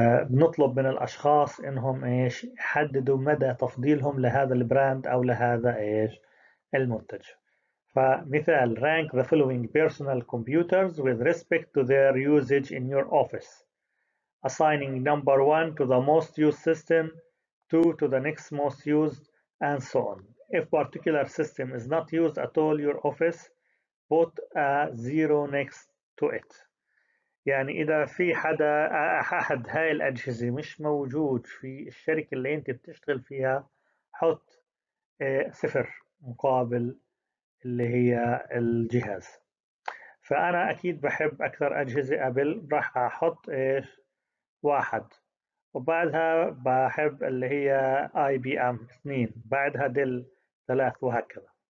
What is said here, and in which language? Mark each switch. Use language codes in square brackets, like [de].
[ar] بنطلب من الأشخاص إنهم إيش يحددوا مدى تفضيلهم لهذا البراند أو لهذا إيش المنتج. فمثال [en] rank the following personal computers with respect to their usage in your office. Assigning number 1 to the most used system, 2 to the next most used, and so on. If particular system is not used at all your office, put a 0 next to it. [ar] يعني إذا في حدا أحد هاي الأجهزة مش موجود في الشركة اللي أنت بتشتغل فيها، حط 0 مقابل اللي هي الجهاز. فأنا أكيد بحب أكثر أجهزة أبل، راح أحط 1، وبعدها بحب اللي هي IBM 2، بعدها دل 3 وهكذا.